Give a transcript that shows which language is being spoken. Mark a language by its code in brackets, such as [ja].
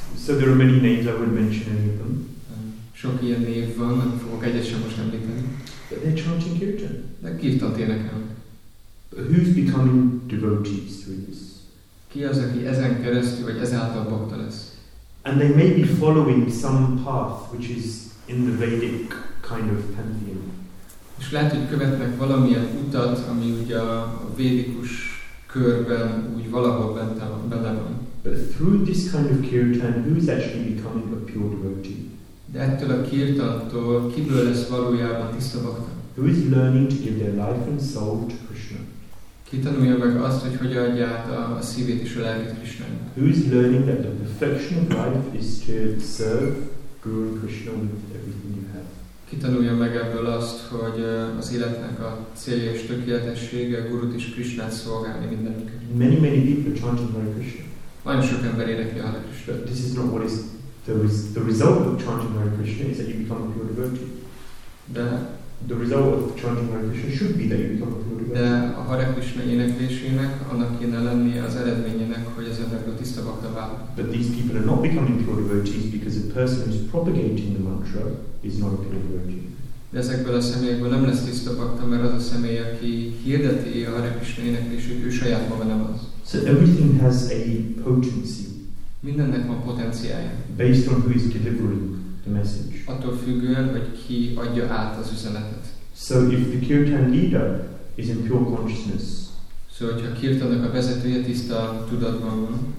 [en] So there are many names, I wouldn't mention any of them. [hu] Sok ilyen név van, amit fogok egyet sem most említeni. [en] But they're chanting kirtan. [hu] De kirtant énekel. [en] Who's becoming devotees through this? [hu] Ki az, aki ezen keresztül, vagy ezáltal bhakta lesz? [en] And they may be following some path which is in the Vedic kind of pantheon. [hu] És lehet, hogy követnek valamilyen utat, ami ugye a védikus körben úgy valahol benne van. [en] But through this kind of kirtan, who's actually becoming a pure devotee? [hu] De ettől a kirtantól kiből lesz valójában tiszta bhakta? [en] Who is learning to give their life and soul to Krishna? [hu] Ki tanulja meg azt, hogy hogyan adja át a szívét és a lelkét Krishnának? [en] Who is learning that the perfection of life is to serve Guru and Krishna with everything you have? [hu] Ki tanulja meg ebből azt, hogy az életnek a célja és tökéletessége Gurut és Krishnát szolgálni mindenkinek? [en] Many, many people are chanting Hare Krishna. [hu] Nagyon sok ember énekli Hare Krishna. [en] But this is not what is the result of chanting Hare Krishna is that you become a pure devotee. The result of chanting Hare Krishna should be that you become a pure devotee. [hu] De a Hare Krishna éneklésének annak kéne lenni az eredményének, hogy az emberből tiszta bhakta válik. [en] But these people are not becoming pure devotees because a person who is propagating the mantra is not a pure devotee. [hu] De ezekből a személyekből nem lesz tiszta bhakta, mert az a személy, aki hirdeti a Hare Krishna éneklését, ő saját maga nem az. [en] So everything has a potency. [hu] Mindennek van potenciája. [en] Based on who is delivering message. [hu] Attól függően, hogy ki adja át az üzenetet. [en] So if the kirtan leader is in pure consciousness, [hu] so hogyha a kirtannak a vezetője tiszta tudatban van,